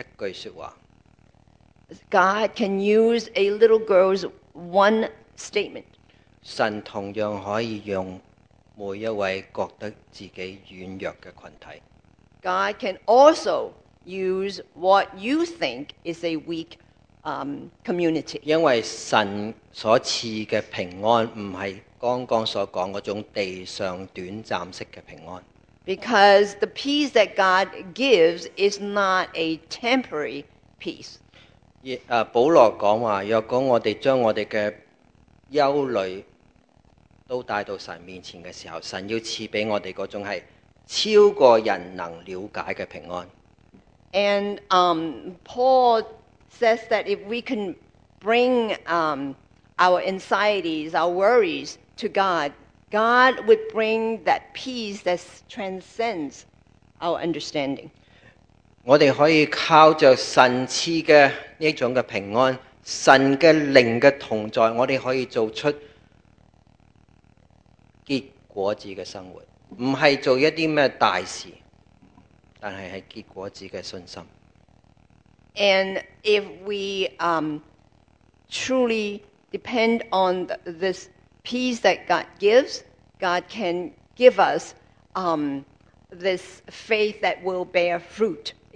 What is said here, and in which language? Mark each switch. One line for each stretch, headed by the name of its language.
Chinese: 一句说话。
English: God can use a little girl's one statement.
Chinese: 神同样可以用每一位觉得自己软弱的群体。
English: God can also use what you think is a weak community.
Chinese: 因为神所赐的平安不是刚刚所讲的那种地上短暂式的平安。
English: Because the peace that God gives is not a temporary peace.
Chinese: 保罗讲话，若果我们将我们的忧虑都带到神面前的时候，神要赐给我们那种是超过人能了解的平安。
English: And Paul says that if we can bring our anxieties, our worries to God, God would bring that peace that transcends our understanding.
Chinese: 我们可以靠着神赐的这种的平安，神的灵的同在，我们可以做出结果子的生活，不是做一些什么大事，但是是结果子的信心。
English: And if we truly depend on this peace that God gives, God can give us this faith that will bear fruit.